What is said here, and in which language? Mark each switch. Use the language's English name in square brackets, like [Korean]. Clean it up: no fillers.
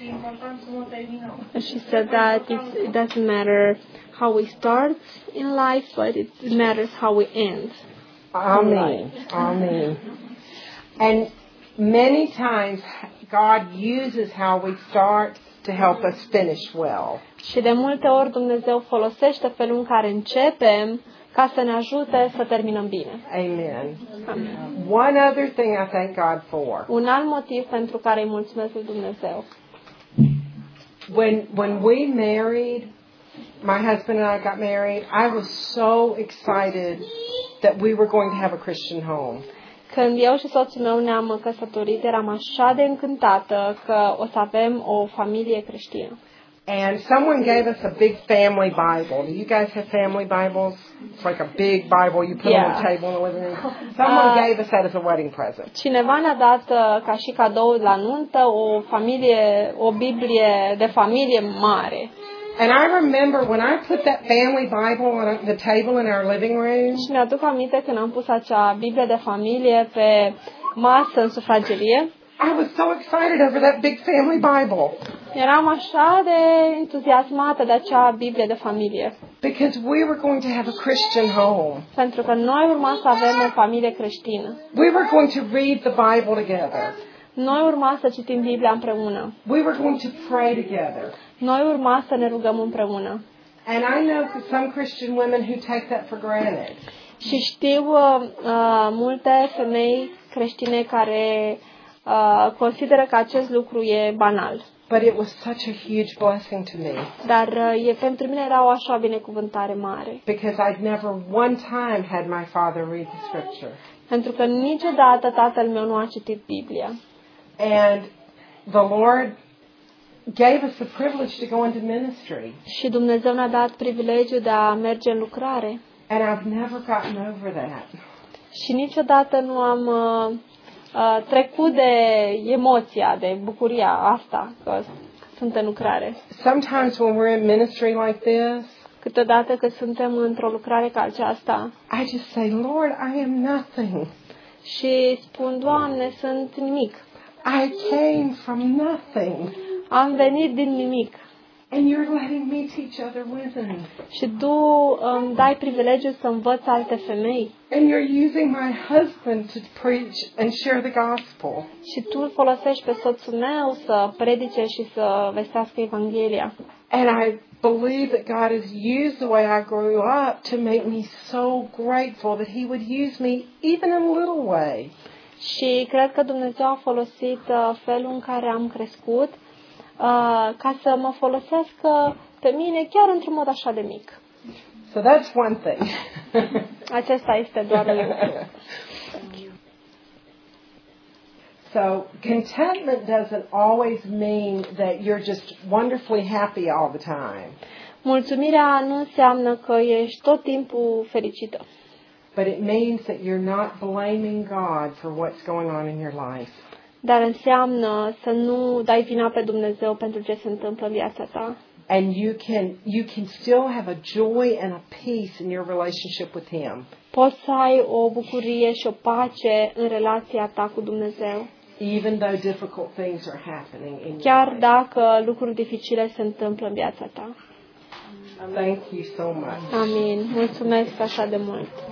[Romanian] important cum o terminăm. [English] She said that it doesn't matter how we start in life, but it matters how we end. Amen. Amen. And many times God uses how we start to help us finish well. [Romanian] Și de multe ori Dumnezeu folosește felul în care începem ca să ne ajute să terminăm bine. [English] Amen. One other thing I thank God for. [Romanian] Un alt motiv pentru care îi mulțumesc lui Dumnezeu. [English] When we married, my husband and I got married, I was so excited that we were going to have a Christian home. [Romanian] Când eu și soțul meu ne-am căsătorit, eram așa de încântată că o să avem o familie creștină. [English] And someone gave us a big family Bible. Do you guys have family Bibles? It's like a big Bible you put on the table in the living room. Someone gave us that as a wedding present. [Romanian] Cineva ne-a dat ca și cadou la nuntă o Biblie de familie mare. [English] And I remember when I put that family Bible on the table in our living room. [Romanian] Și mi-aduc aminte când am pus acea Biblie de familie pe masă în sufragerie. [English] I was so excited over that big family Bible. [Romanian] Eram așa de entuziasmată de acea Biblie de familie. [English] Because we were going to have a Christian home. [Romanian] Pentru că noi urma să avem o familie creștină. [English] We were going to read the Bible together. [Romanian] Noi urma să citim Biblia împreună. [English] We were going to pray together. [Romanian] Noi urma să ne rugăm împreună. [English] And I know some Christian women who take that for granted. [Romanian] Și știu multe femei creștine care consideră că acest lucru e banal. [English] But it was such a huge blessing to me. [Romanian] Dar pentru mine era o așa binecuvântare mare. [English] Because I'd never one time had my father read the scripture. [Romanian] Pentru că niciodată tatăl meu nu a citit Biblia. [English] And the Lord gave us the privilege to go into ministry. [Romanian] Și Dumnezeu ne-a dat privilegiul de a merge în lucrare. [English] And I've never gotten over that. [Romanian] Și niciodată nu am trecut de emoția, de bucuria asta că sunt în lucrare. [English] Sometimes when we're in ministry like this, [Romanian] câteodată că suntem într-o lucrare ca aceasta, [English] I just say, Lord, I am nothing. [Romanian] Și spun, Doamne, sunt nimic. [English] I came from nothing. [Romanian] Am venit din nimic. [English] And you're letting me teach other women. [Romanian] Și tu îmi dai privilegiul să învăț alte femei. [English] And you're using my husband to preach and share the gospel. [Romanian] Și tu îl folosești pe soțul meu să predice și să vestească Evanghelia. [English] And I believe that God has used the way I grew up to make me so grateful that he would use me even in a little way. [Romanian] Și cred că Dumnezeu a folosit felul în care am crescut ca să mă folosească pe mine chiar într-un mod așa de mic. [English] So that's one thing. [Romanian] Acesta este doar un lucru. [English] So contentment doesn't always mean that you're just wonderfully happy all the time. [Romanian] Mulțumirea nu înseamnă că ești tot timpul fericită. [English] But it means that you're not blaming God for what's going on in your life. [Romanian] Dar înseamnă să nu dai vina pe Dumnezeu pentru ce se întâmplă în viața ta. [English] And you can still have a joy and a peace in your relationship with Him. [Romanian] Poți să ai o bucurie și o pace în relația ta cu Dumnezeu. [English] Even though difficult things are happening in your life. [Romanian] Chiar dacă lucruri dificile se întâmplă în viața ta. [English] Thank you so much. [Romanian] Amin. Mulțumesc așa de mult.